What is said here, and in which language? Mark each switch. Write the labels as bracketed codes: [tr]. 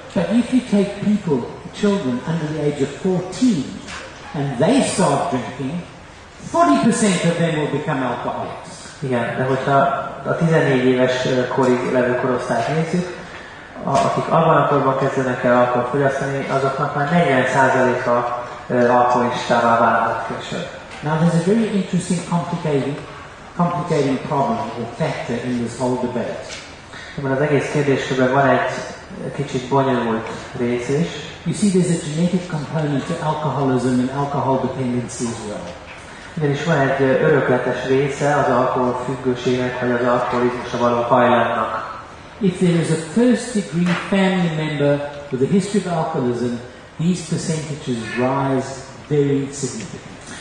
[en] But if you take people, children under the age of 14, and they start drinking, 40% of them will become alcoholics. [hu] Igen, de hogyha a 14 éves korig levő korosztályt nézzük, akik abban a korban kezdenek el alkoholt fogyasztani, azoknak már 40%-a alkoholistává válnak később. [en] Now there's a very interesting complicating problem or factor in this whole debate. [hu] Mert az egész kérdésben van egy kicsit bonyolult rész is. [en] You see, there's a genetic component to alcoholism and alcohol dependency as well. [hu] Ugyanis van egy örökletes része az alkohol függőségnek, vagy az alkoholizmusra való hajlamnak. [en] If there is a first degree family member with a history of alcoholism, these percentages rise very significantly.